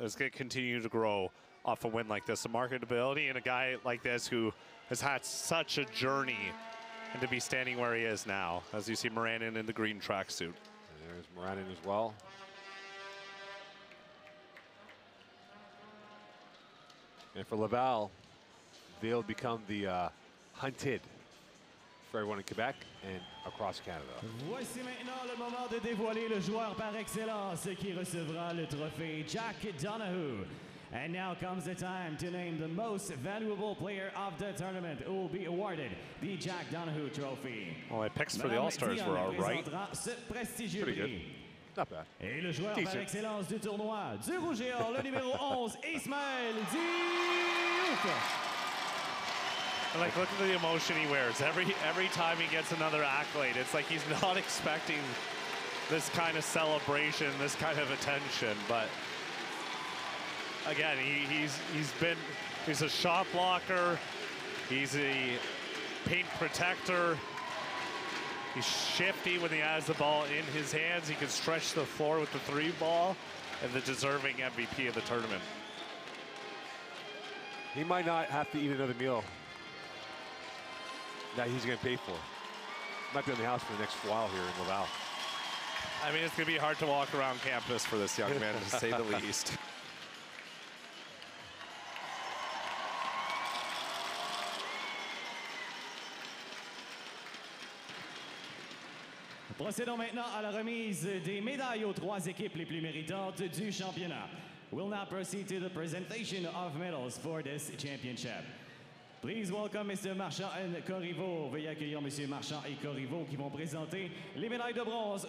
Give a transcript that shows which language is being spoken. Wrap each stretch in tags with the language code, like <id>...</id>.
<en>It's going to continue to grow off a win like this. The marketability and a guy like this who has had such a journey and to be standing where he is now, as you see Moranin in the green tracksuit. There's Moranin as well. And for Laval, they'll become the hunted for everyone in Quebec and across Canada.</en> <fr>Voici maintenant le moment de dévoiler le joueur par excellence qui recevra le trophée Jack Donahue.</fr> <en>And now comes the time to name the most valuable player of the tournament who will be awarded the Jack Donahue Trophy. Well, my picks for the All-Stars were all right. Pretty good. Not bad.</en> <fr>Et le joueur par excellence du tournoi, du Rouge et Or, le numéro 11, Ismaël Diouf.</fr> <en>Like, look at the emotion he wears. Every time he gets another accolade, it's like he's not expecting this kind of celebration, this kind of attention. But again, he's a shot blocker. He's a paint protector. He's shifty when he has the ball in his hands. He can stretch the floor with the three ball, and the deserving MVP of the tournament. He might not have to eat another meal that he's going to pay for. Might be in the house for the next while here in Laval. I mean, it's going to be hard to walk around campus for this young man, to say the least.</en> <fr>Procédons maintenant à la remise des médailles aux trois équipes les plus méritantes du championnat.</fr> <en>We'll now proceed to the presentation of medals for this championship. Please welcome Mr. Marchand and Corriveau.</en> <fr>Veuillez accueillir Mr. Marchand et Corriveau qui vont présenter les médailles de bronze.</fr>